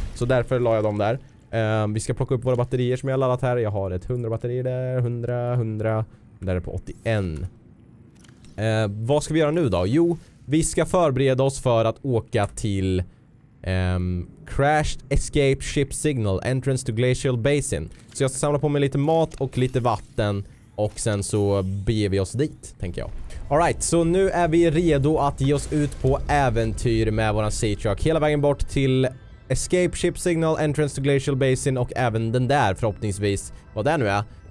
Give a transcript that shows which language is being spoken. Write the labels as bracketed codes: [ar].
[sv] Så därför la jag dem där. Vi ska plocka upp våra batterier som jag har laddat här. Jag har ett 100 batterier där. 100, 100. Där är på 81. Vad ska vi göra nu då? Jo, vi ska förbereda oss för att åka till [en] Crashed escape ship signal, entrance to glacial basin. [sv] Så jag ska samla på mig lite mat och lite vatten. Och sen så beger vi oss dit, tänker jag. All right, så nu är vi redo att ge oss ut på äventyr med våran Sea Truck. Hela vägen bort till [en] escape ship signal, entrance to glacial basin [sv] och även den där förhoppningsvis, vad det nu är.